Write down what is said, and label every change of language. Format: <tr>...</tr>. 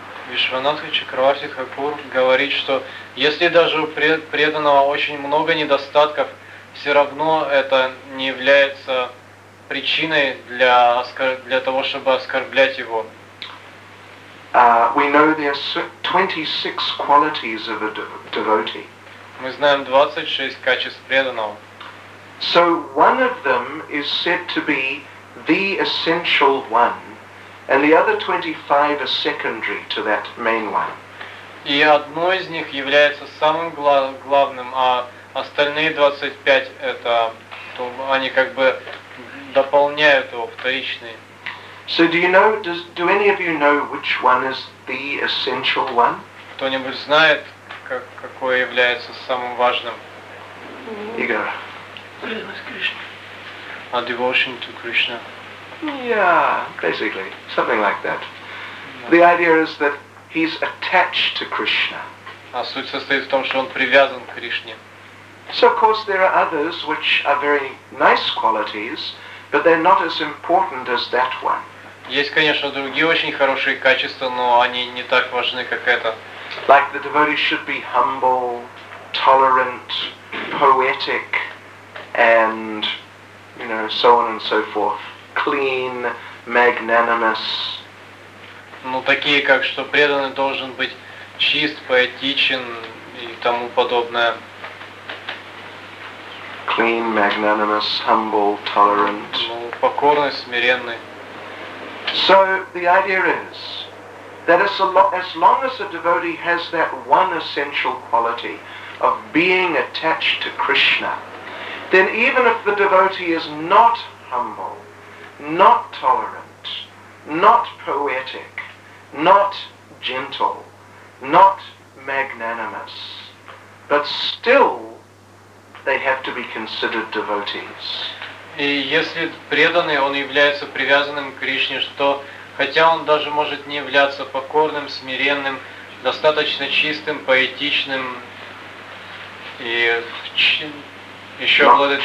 <ru>Вишванатха Чакраварти Хакур говорит, что если даже у преданного очень много недостатков, все равно это не является причиной для того, чтобы оскорблять его.</ru> <en>We know there are 26 qualities of a devotee.</en> <ru>Мы знаем 26 качеств преданного.</ru> <en>So one of them is said to be the essential one. And the other 25 are secondary to that main one.</en> <ru>И одно из них является самым главным, а остальные 25 это то, они как бы дополняют его, вторичные.</ru> <en>So do you know, do any of you know which one is the essential one?</en> <ru>Кто-нибудь знает, какое является самым важным? Игорь. Преданность</ru> <en>Кришне. Devotion to Krishna. Yeah, basically, something like that. The idea is that he's attached to Krishna.</en> <ru>А суть состоит в том, что он привязан к Кришне.</ru> <en>So, of course, there are others which are very nice qualities, but they're not as important as that one.</en> <ru>Есть, конечно, другие очень хорошие качества, но они не так важны, как это.</ru> <en>Like the devotee should be humble, tolerant, poetic, and, you know, so on and so forth. Clean, magnanimous.</en> <ru>Ну такие как что преданный должен быть чист, поэтичен и тому подобное.</ru> <en>Clean, magnanimous, humble, tolerant.</en> <ru>Ну покорный, смиренный.</ru> <en>So the idea is that as long as a devotee has that one essential quality of being attached to Krishna, then even if the devotee is not humble, not tolerant, not poetic, not gentle, not magnanimous, but still they have to be considered devotees.</en> <ru>И если преданный, он является привязанным к Кришне, что хотя он даже может не являться покорным, смиренным, достаточно чистым, поэтичным и еще обладает</ru>